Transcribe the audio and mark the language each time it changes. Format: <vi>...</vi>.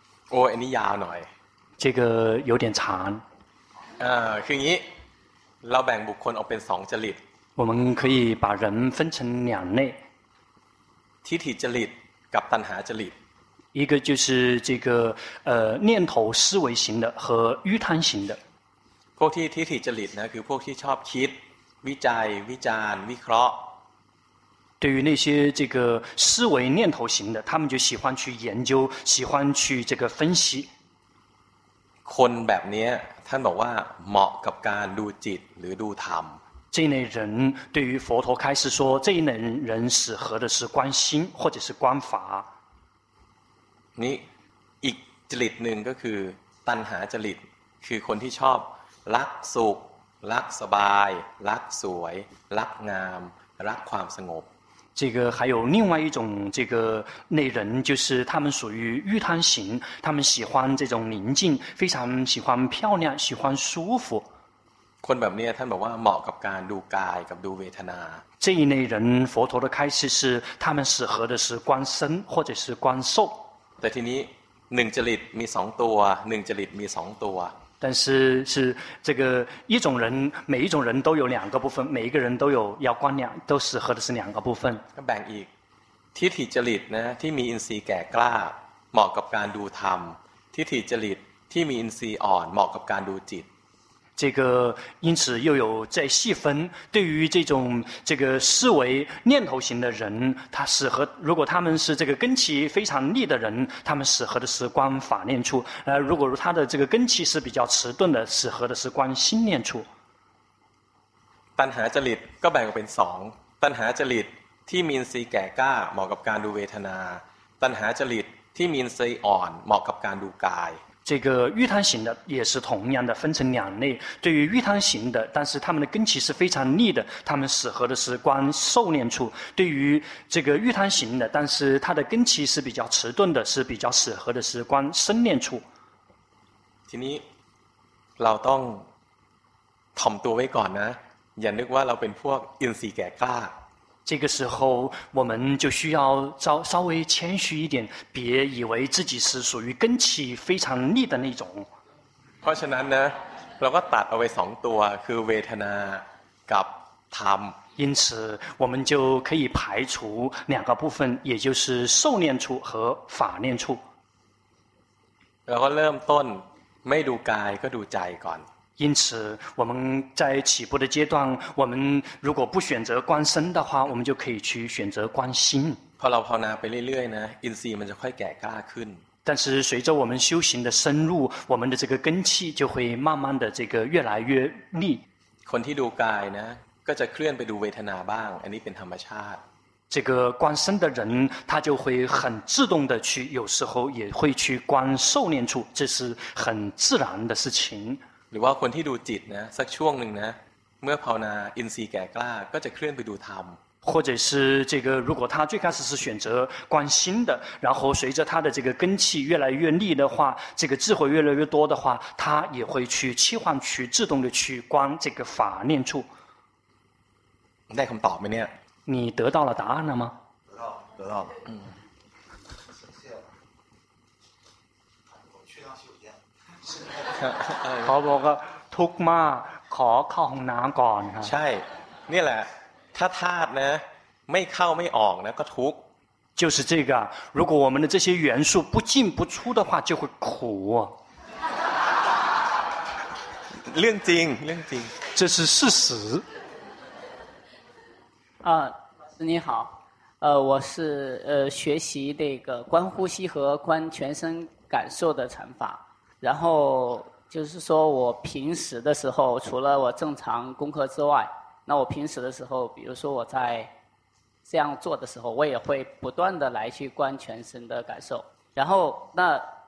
<th>โอ้อันนี้ยาวหน่อย</th> <zh>这个有点长</zh> <th>คืออย่างนี้เราแบ่งบุคคลออกเป็นสองจริต</th> <zh>我们可以把人分成两类</zh> <th>ทิฏฐิจริตกับตัณหาจริต</th> <zh>一个就是这个念头思维型的和瘀贪型的</zh> <th>พวกที่ทิฏฐิจริตนะคือพวกที่ชอบคิดวิจัยวิจารวิเคราะห์</th> <zh>对于那些这个思维念头型的他们就喜欢去研究喜欢去这个分析</zh> <th>คนแบบนี้ท่านบอกว่าเหมาะกับการดูจิตหรือดูธรรม</th> <zh>这一类人对于佛陀开始说这一类人适合的是观心或者是观法</zh> <th>นี่อีกจริตหนึ่งก็คือตัณหาจริตคือคนที่ชอบรักสุขรักสบายรักสวยรักงามรักความสงบ</th> <zh>这个还有另外一种这个类人就是他们属于欲贪型他们喜欢这种宁静非常喜欢漂亮喜欢舒服</zh> <th>คนแบบนี้ท่านบอกว่าเหมาะกับการดูกายกับดูเวทนา</th> <zh>这一类人佛陀的开示是他们适合的是观身或者是观受</zh> <th>แต่ทีนี้หนึ่งจริตมีสองตัวหนึ่งจริตมีสองตัว</th> <zh>但是是这个一种人每一种人都有两个部分每一个人都有要观两都适合的是两个部分</zh> <th>ก็แบ่งอีกทิฏฐิจริตนะที่มีอินทรีย์แก่กล้าเหมาะกับการดูธรรมทิฏฐิจริตที่มีอินทรีย์อ่อนเหมาะกับการดูจิต</th> <zh>这个因此又有在细分对于这种这个思维念头型的人他适合如果他们是这个根气非常利的人他们适合的是观法念处如果他的这个根气是比较迟钝的适合的是观心念处</zh> <th>ตัณหาจริตก็แบ่งออกเป็น2ตัณหาจริตที่มีอินทรีย์แก่กล้าเหมาะกับการดูเวทนาตัณหาจริตที่มีอินทรีย์อ่อนเหมาะกับการดูกาย</th> <zh>这个欲贪型的也是同样的分成两类对于欲贪型的但是他们的根器是非常利的他们适合的是观受念处对于这个欲贪型的但是他的根器是比较迟钝的是比较适合的是观身念处</zh> <th>ทีนี้เราต้องถ่อมตัวไว้ก่อนนะอย่านึกว่าเราเป็นพวกอินทรีย์แก่กล้า</th> <zh>这个时候我们就需要稍微谦虚一点别以为自己是属于根器非常利的那种</zh> <th>เพราะฉะนั้นนะเราก็ตัดเอาไว้สองตัวคือเวทนากับธรรม</th> <zh>因此我们就可以排除两个部分也就是受念处和法念处</zh> <th>เราก็เริ่มต้นไม่ดูกายก็ดูใจก่อน</th> <zh>因此我们在起步的阶段我们如果不选择观身的话我们就可以去选择观心</zh> <th>พอเราภาวนาไปเรื่อยๆนะอินทรีย์มันจะค่อยแก่กล้าขึ้น</th> <zh>但是随着我们修行的深入我们的这个根器就会慢慢的这个越来越利</zh> <th>คนที่ดูกายนะก็จะเคลื่อนไปดูเวทนาบ้างอันนี้เป็นธรรมชาติ</th> <zh>这个观身的人他就会很自动的去有时候也会去观受念处这是很自然的事情</zh> <th>หรือว่าคนที่ดูจิตนะสักช่วงหนึ่งนะเมื่อภาวนาอินทรีย์แก่กล้าก็จะเคลื่อนไปดูธรรม</th> <zh>或者是这个如果他最开始是选择观心的然后随着他的这个根器越来越利的话这个智慧越来越多的话他也会去切换去自动的去观这个法念处</zh> <th>ได้คำตอบไหมเนี่ย</th> <zh>你得到了答案了吗得到了</zh> <th>เขาบอกว่าทุกข์มากขอเข้าห้องน้ำก่อนครับ ใช่นี่แหละถ้าธาตุนะไม่เข้าไม่ออกนะก็ทุกข์</th> <zh>就是这个如果我们的这些元素不进不出的话就会苦</zh> <th>เรื่องจริงเรื่องจริง</th> <zh>这是事实老师你好我是学习这个观呼吸和观全身感受的禅法然后就是说我平时的时候除了我正常功课之外那我平时的时候比如说我在这样做的时候我也会不断的来去观全身的感受然后那</zh>